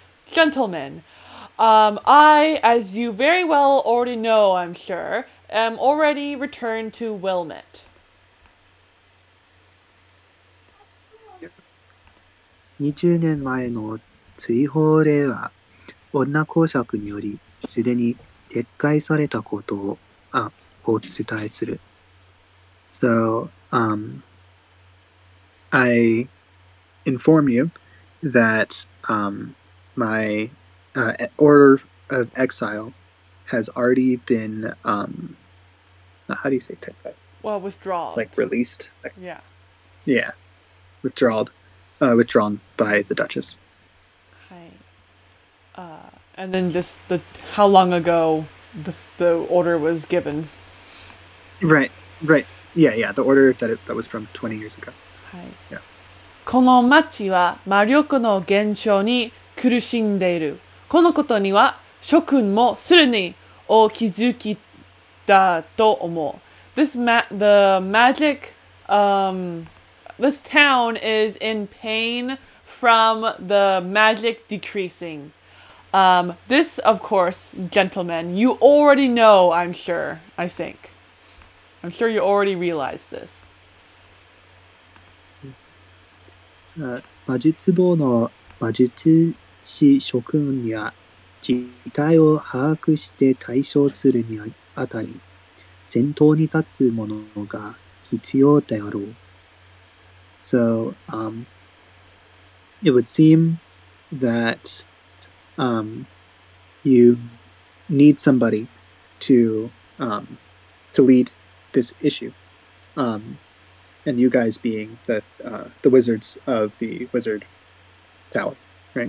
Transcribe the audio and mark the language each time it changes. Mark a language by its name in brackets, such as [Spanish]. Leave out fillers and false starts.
[English] Gentlemen, I, as you very well already know, I'm sure, am already returned to Wilmette. [Japanese] 20年前の追放令は、女公爵により、すでに撤回されたことを、お伝えする。 [English] So, I inform you that, my, order of exile has already been, how do you say take that? Well, It's withdrawn. like released. Yeah. Yeah. Withdrawn by the Duchess. Hi. And then just the how long ago the order was given. The order that was from 20 years ago. Hi. [Japanese] この町は魔力の減少に苦しんでいる。このことには諸君もすでにお気づきだと思う。 [English] This ma the magic this town is in pain from the magic decreasing. This, of course, gentlemen, you already know, I'm sure, I think. I'm sure you already realize this. [Japanese] 魔術棒の魔術師諸君には事態を把握して対処するにあたり、先頭に立つものが必要であろう。 [English] So, it would seem that, you need somebody to lead this issue. And you guys being the wizards of the wizard tower, right?